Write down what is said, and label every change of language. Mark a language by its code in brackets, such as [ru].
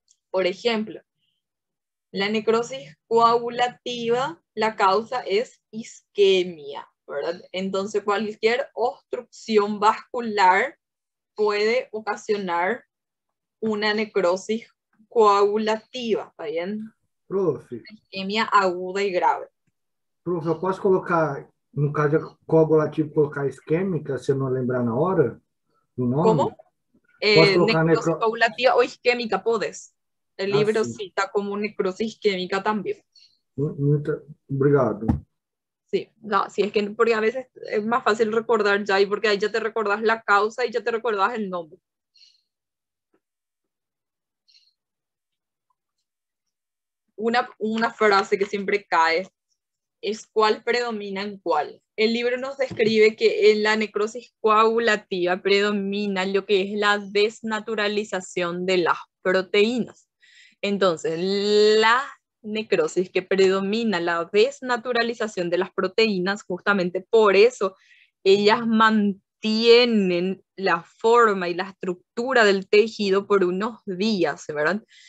[es] Por ejemplo, la necrosis coagulativa, la causa es isquemia, ¿verdad? Entonces cualquier obstrucción vascular puede ocasionar una necrosis coagulativa, ¿está bien? Profe. Isquemia aguda y grave. Profe, ¿puedes colocar... [pt] No caso coagulativo, colocar isquémica, se não lembrar na hora do nome. Como? Necrosis coagulativa ou isquémica, podes. O livro cita como necrosis isquémica também. Muito obrigado. Sim, [es] sí, es que porque a veces [pt] é mais fácil recordar já, porque aí já te recordas a causa e já te recordas o nome. Uma frase que sempre cai. [es] Es cuál predomina en cuál. El libro nos describe que en la necrosis coagulativa predomina lo que es la desnaturalización de las proteínas. Entonces, la necrosis que predomina la desnaturalización de las proteínas, justamente por eso ellas mantienen la forma y la estructura del tejido por unos días, ¿verdad?